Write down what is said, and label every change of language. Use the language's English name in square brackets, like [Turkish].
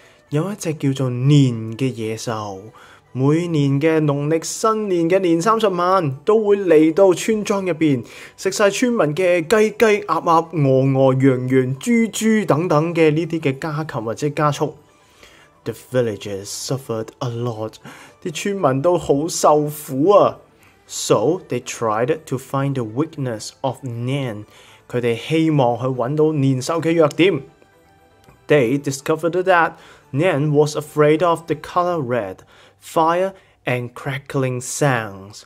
[Cantonese] 有一只叫做Nian嘅野兽，每年嘅农历新年嘅年三十晚都会嚟到村庄入边，食晒村民嘅鸡鸡鸭鸭、鹅鹅、羊羊、猪猪等等嘅呢啲嘅家禽或者家畜。 [English] The villagers suffered a lot. [Cantonese] 啲村民都好受苦啊。 [English] So they tried to find the weakness of Nian. [Cantonese] 佢哋希望去揾到年兽嘅弱点。 [English] They discovered that Nian was afraid of the color red, fire and crackling sounds.